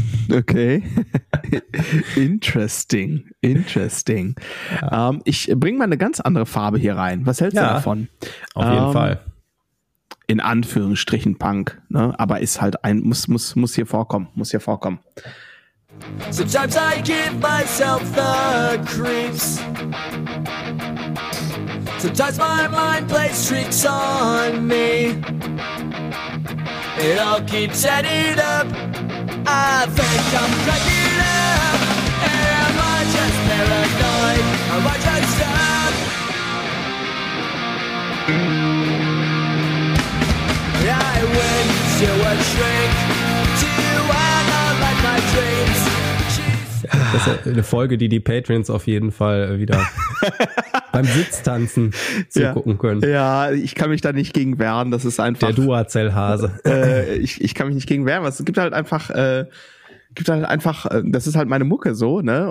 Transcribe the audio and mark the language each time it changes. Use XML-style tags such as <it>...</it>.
<en>Okay. Interesting. Ja.</en> <de>Ich bringe mal eine ganz andere Farbe hier rein. Was hältst du davon? Auf jeden Fall. In Anführungsstrichen Punk, ne? Aber ist halt ein, muss hier vorkommen.</de> <en>Sometimes I give myself the creeps. Sometimes my mind plays tricks on me. It all keeps adding up. I think I'm cracking up. Am I just paranoid? Am I just stuck? I went to a shrink to analyze my dreams.</en> <de>Das ist eine Folge, die Patreons auf jeden Fall wieder beim Sitztanzen zugucken können. Ja, ich kann mich da nicht gegen wehren. Das ist einfach. Der Duracell-Hase. Ich kann mich nicht gegen wehren. Es gibt halt einfach. Das ist halt meine Mucke so, ne?</de>